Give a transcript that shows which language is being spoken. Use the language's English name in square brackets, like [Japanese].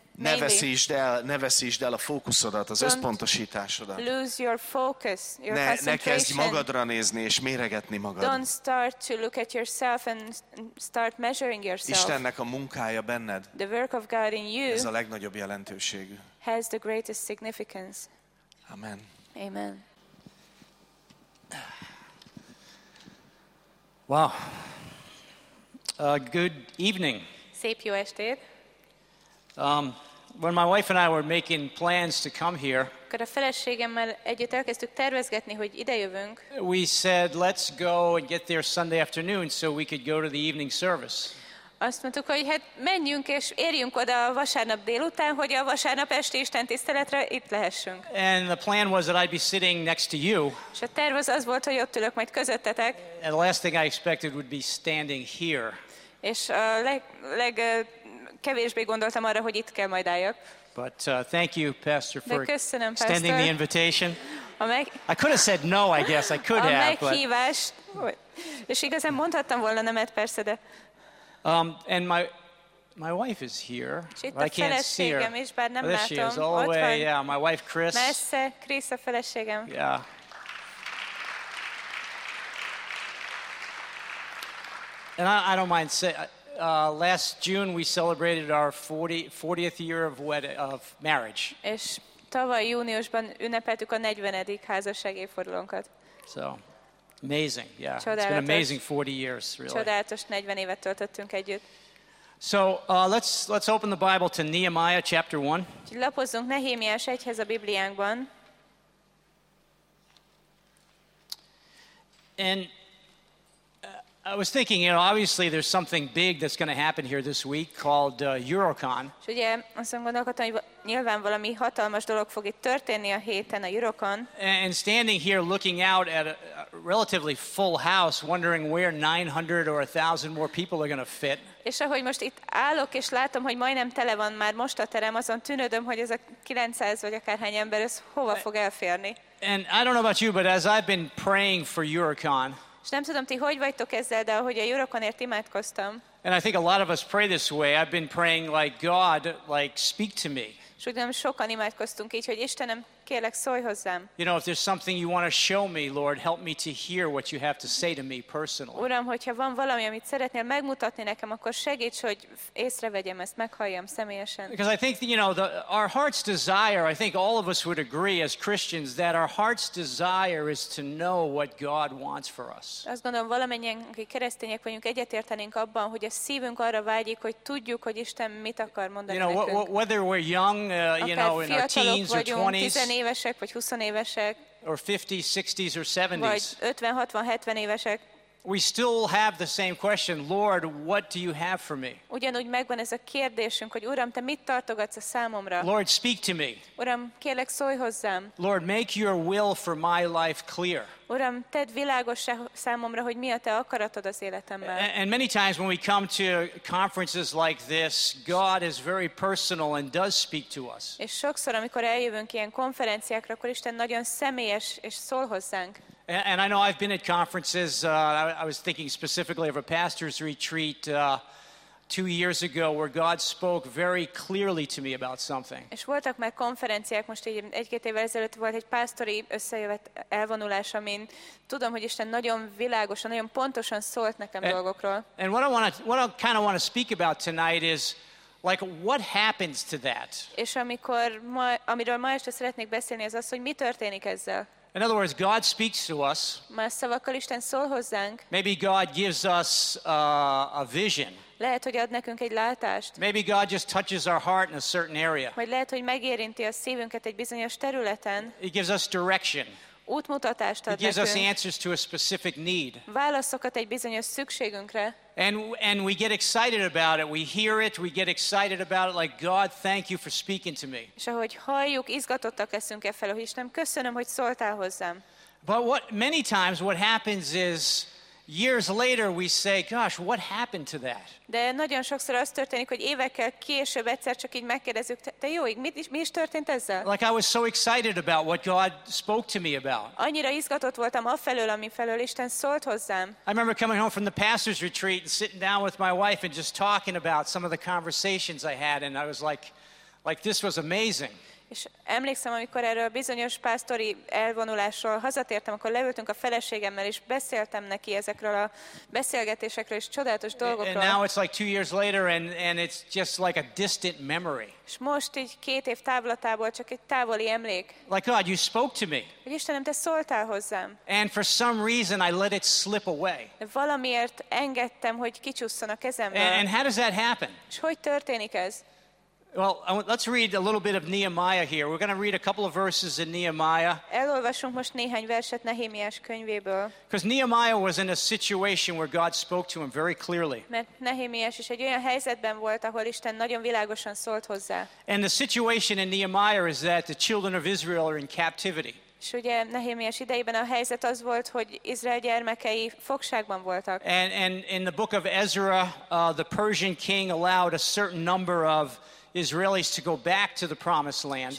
[Hungarian] ne veszítsd el, ne veszítsd el a fókuszodat, az összpontosításodat. [English] Lose your focus, your concentration. [Hungarian] Ne kezdj magadra nézni és méregetni magad. [English] Don't start to look at yourself and start measuring yourself. [Hungarian] Istennek a munkája benned. [English] The work of God in you. [Hungarian] Ez a legnagyobb jelentőség. [English] Has the greatest significance. Amen. Amen. Wow. Good evening. [Hungarian] Szép jó estét. [English] When my wife and I were making plans to come here, [Hungarian] akkor a feleségemmel együtt elkezdtük tervezgetni, hogy idejövünk. [English] We said, let's go and get there Sunday afternoon so we could go to the evening service. [Hungarian] Azt mondtuk, hogy hát menjünk és érjünk oda a vasárnap délután, hogy a vasárnap esti istentiszteletre itt lehessünk. [English] And the plan was that I'd be sitting next to you. [Hungarian] És a terv az volt, hogy ott ülök majd közöttetek. [English] And the last thing I expected would be standing here. [Hungarian] És a kevésbé gondoltam arra, hogy itt kell majd álljak. [English] But thank you, Pastor, for extending the invitation. I could have said no, I guess. I could have. [Hungarian] A meghívást. És igazán mondhattam volna nemet, persze, de. [English] And my wife is here. I can't see her. [Hungarian] Is, bár nem [English] there [Hungarian] látom. [English] She is, all the way. Yeah, my wife, Chris. [Hungarian] Messze, Chris a feleségem. [English] Yeah. And I don't mind saying, last June we celebrated our 40th year of marriage. [Hungarian] És tavaly júniusban ünnepeltük a 40. házasság évfordulónkat. [English] So. Amazing, yeah. It's been amazing 40 years, really. [Hungarian] Csodálatos 40 évet töltöttünk együtt. [English] So let's open the Bible to Nehemiah chapter 1. [Hungarian] Lapozzunk Nehémiás 1-hez a Bibliánkban. [English] And I was thinking, you know, obviously there's something big that's going to happen here this week called Eurocon. [Hungarian] És ugye azt gondolkodtam, hogy nyilván valami hatalmas dolog fog itt történni a héten a Eurocon. [English] And standing here looking out at a relatively full house, wondering where 900 or 1,000 more people are going to fit. [Hungarian] És ahogy most itt állok és látom, hogy majdnem tele van már most a terem, azon tűnődöm, hogy ez a 900 vagy akárhány ember, ez hova fog elférni. [English] And I don't know about you, but as I've been praying for Eurocon, [Hungarian] és nem tudom, ti hogy vagytok ezzel, de ahogy a Eurokonért imádkoztam. [English] And I think a lot of us pray this way. I've been praying like, God, like, speak to me. [Hungarian] És úgy gondolom, sokan imádkoztunk így, hogy Istenem, kérlek, szólj hozzám. [English] You know, if there's something you want to show me, Lord, help me to hear what you have to say to me personally. [Hungarian] Uram, hogyha van valami, amit szeretnél megmutatni nekem, akkor segíts, hogy észrevegyem ezt, meghalljam személyesen. [English] Because I think, you know, our heart's desire, I think all of us would agree as Christians, that our heart's desire is to know what God wants for us. [Hungarian] Azt gondolom, valamennyien, akik keresztények vagyunk, egyetértenénk abban, hogy a szívünk arra vágyik, hogy tudjuk, hogy Isten mit akar mondani nekünk. [English] You know, whether we're young, you know, in our teens or 20s, [Hungarian] évesek, vagy 20 évesek, [English] or 50s, 60s, or 70s. [Hungarian] Vagy 50, 60, 70 évesek. [English] We still have the same question, Lord, what do you have for me? [Hungarian] Ugyanúgy megvan ez a kérdésünk, hogy Uram, te mit tartogatsz a számomra? [English] Lord, speak to me. [Hungarian] Uram, kérlek, szólj hozzám. [English] Lord, make your will for my life clear. [Hungarian] Uram, tedd világossá számomra, hogy mi a te akaratod az életemben. [English] And many times when we come to conferences like this, God is very personal and does speak to us. [Hungarian] És sokszor, amikor eljövünk ilyen konferenciákra, akkor Isten nagyon személyes és szól hozzánk. [English] And I know I've been at conferences, I was thinking specifically of a pastor's retreat 2 years ago where God spoke very clearly to me about something. [Hungarian] És voltak már konferenciák, most egy-két évvel ezelőtt volt egy pásztori összejövet elvonulás, amin tudom, hogy Isten nagyon világosan, nagyon pontosan szólt nekem dolgokról. [English] And what I kind of want to speak about tonight is, like, what happens to that? [Hungarian] És amiről ma este szeretnék beszélni, az az, hogy mi történik ezzel. [English] In other words, God speaks to us. [Hungarian] Más szavakkal Isten szól hozzánk. [English] Maybe God gives us a vision. [Hungarian] Lehet, hogy ad nekünk egy látást. [English] Maybe God just touches our heart in a certain area. [Hungarian] Vagy lehet, hogy megérinti a szívünket egy bizonyos területen. [English] He gives us direction. [Hungarian] Útmutatást ad nekünk. [English] He gives us answers to a specific need. [Hungarian] Válaszokat egy bizonyos szükségünkre. [English] And we get excited about it. We hear it. We get excited about it. Like, God, thank you for speaking to me. [Hungarian] És ahogy halljuk, izgatottak leszünk e felé, hogy Istenem, köszönöm, hogy szóltál hozzám. [English] But what many times what happens is years later we say, gosh, what happened to that? [Hungarian] De nagyon sokszor az történik, hogy évekkel később egyszer csak így megkérdezzük, de jó, mi is történt ezzel? [English] Like I was so excited about what God spoke to me about. [Hungarian] Annyira izgatott voltam afelől, amifelől Isten szólt hozzám. [English] I remember coming home from the pastor's retreat and sitting down with my wife and just talking about some of the conversations I had, and I was like this was amazing. [Hungarian] És emlékszem, amikor erről a bizonyos pásztori elvonulásról hazatértem, akkor leültünk a feleségemmel, és beszéltem neki ezekről a beszélgetésekről és csodálatos dolgokról. [English] And now it's like 2 years later, and it's just like a distant memory. [Hungarian] És most így két év távlatából csak egy távoli emlék. [English] Like God, you spoke to me. [Hungarian] Hogy Istenem, te szóltál hozzám. [English] And for some reason I let it slip away. [Hungarian] De valamiért engedtem, hogy kicsusszon a kezembe. [English] And how does that happen? [Hungarian] És hogy történik ez? [English] Well, let's read a little bit of Nehemiah here. We're going to read a couple of verses in Nehemiah. [Hungarian] Elolvasunk most néhány verset Nehémiás könyvéből. [English] Because Nehemiah was in a situation where God spoke to him very clearly. [Hungarian] Mert Nehémiás is egy olyan helyzetben volt, ahol Isten nagyon világosan szólt hozzá. [English] And the situation in Nehemiah is that the children of Israel are in captivity. [Hungarian] És ugye Nehémiás idejében a helyzet az volt, hogy Izrael gyermekei fogságban voltak. [English] And in the book of Ezra, the Persian king allowed a certain number of Israelis to go back to the promised land.